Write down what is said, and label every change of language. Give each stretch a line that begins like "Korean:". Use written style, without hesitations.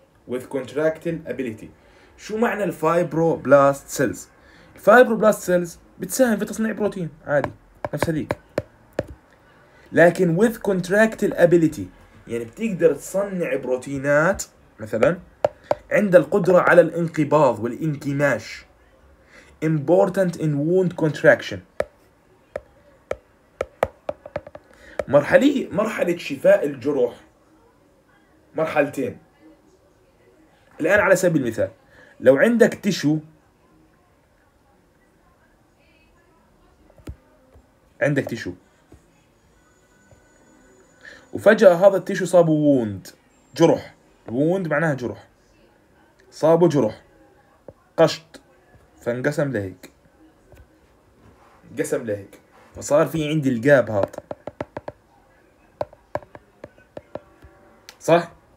English: with contractile ability
Arabic: شو معنى الفايبروبلاست سيلز؟ الفايبروبلاست سيلز بتساهم في تصنيع بروتين عادي نفس هذيك، لكن with contractile ability يعني بتقدر تصنع بروتينات مثلا عند القدرة على الانقباض والانكماش.
English: important in wound contraction.
Arabic: مرحلة شفاء الجروح مرحلتين. الآن على سبيل المثال لو عندك تيشو، عندك تيشو وفجأة هذا التيشو صابه wound، جرح، wound معناها جرح، صابه جرح قشط فانقسم لهيك، قسم لهيك، فصار في عندي الجاب هذا، صح.